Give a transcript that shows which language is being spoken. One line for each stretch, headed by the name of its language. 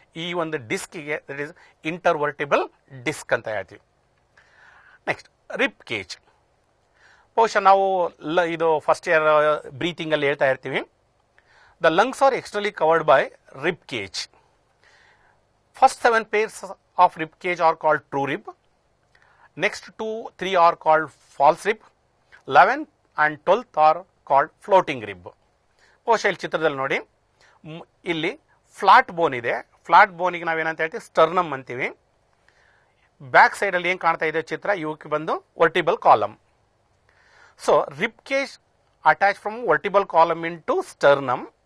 Kannada: ಈ ಒಂದು ಡಿಸ್ಕಿಗೆ
English: that is
Kannada: inter vertebral disc ಅಂತ ಹೇಳ್ತೀವಿ. Next rip cage. ಬಹುಶಃ ನಾವು ಇದು ಫಸ್ಟ್ ಇಯರ್ ಬ್ರೀತಿಂಗಲ್ಲಿ ಹೇಳ್ತಾ ಇರ್ತೀವಿ.
English: The lungs are externally covered by rib cage. First 7 pairs of rib cage are called true rib next 2-3 are called false rib, 11th and 12th are called floating rib.
Kannada: ಬಹುಶಃ ಚಿತ್ರದಲ್ಲಿ ನೋಡಿ, ಇಲ್ಲಿ flat ಬೋನ್ ಇದೆ. Flat ಬೋನಿಗೆ ನಾವೇನಂತ ಹೇಳ್ತೀವಿ, sternum ಅಂತೀವಿ. Back ಸೈಡಲ್ಲಿ ಏನು ಕಾಣ್ತಾ ಇದೆ ಚಿತ್ರ, ಇವಕ್ಕೆ ಬಂದು vertebral column.
English: So rib cage attach from vertebral column into sternum.